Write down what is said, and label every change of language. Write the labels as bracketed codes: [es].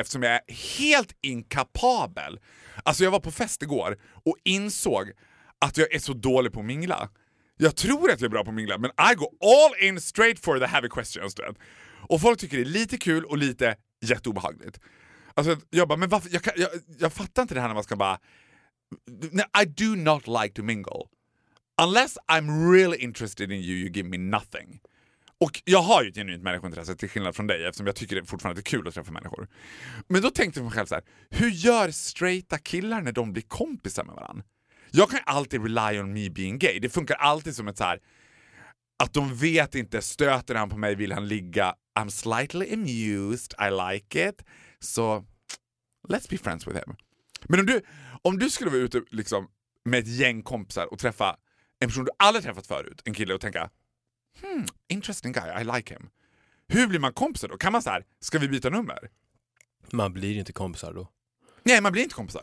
[sv] Eftersom jag är helt inkapabel. Alltså jag var på fest igår och insåg att jag är så dålig på mingla. Jag tror att jag är bra på mingla, men [en] I go all in straight for the heavy questions. [sv] Och folk tycker det är lite kul och lite jätteobehagligt. Alltså jag bara, men varför? Jag fattar inte det här när man ska bara... [en] I do not like to mingle. Unless I'm really interested in you, you give me nothing. [sv] Och jag har ju ett genuint människointresse till skillnad från dig, eftersom jag tycker det fortfarande är kul att träffa människor. Men då tänkte jag mig själv så här, hur gör straighta killar när de blir kompisar med varandra? Jag kan alltid [en] rely on me being gay. [sv] Det funkar alltid som ett så här, att de vet inte, stöter han på mig, vill han ligga. [en] I'm slightly amused, I like it. So, let's be friends with him. [sv] Men om du skulle vara ute liksom, med ett gäng kompisar och träffa en person du aldrig träffat förut, en kille, och tänka, [en] interesting guy, I like him. [sv] Hur blir man kompisar då? Kan man så här, ska vi byta nummer? Man blir inte kompisar då. Nej, man blir inte kompisar.